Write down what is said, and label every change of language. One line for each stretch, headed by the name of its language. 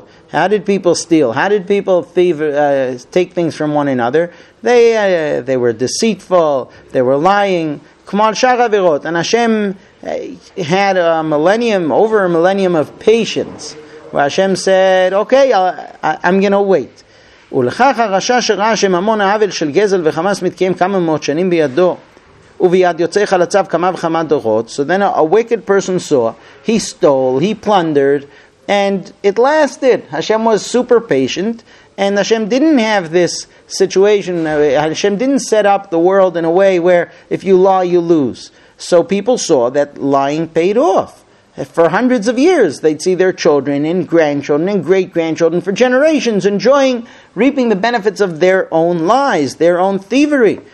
English: How did people steal? How did people take things from one another? They were deceitful. They were lying. And Hashem had over a millennium of patience. Where Hashem said, okay, I'm going to wait.
Hebrew: ולכך הרשע שראה שממון העוול של גזל וחמס מתקיים כמה מאות שנים בידו וביד יוצא חלציו כמה וכמה דורות.
English: So then a wicked person saw, he stole, he plundered, and it lasted. Hashem was super patient, and Hashem didn't have this situation. Hashem didn't set up the world in a way where if you lie, you lose. So people saw that lying paid off. For hundreds of years, they'd see their children and grandchildren and great-grandchildren for generations enjoying, reaping the benefits of their own lies, their own thievery.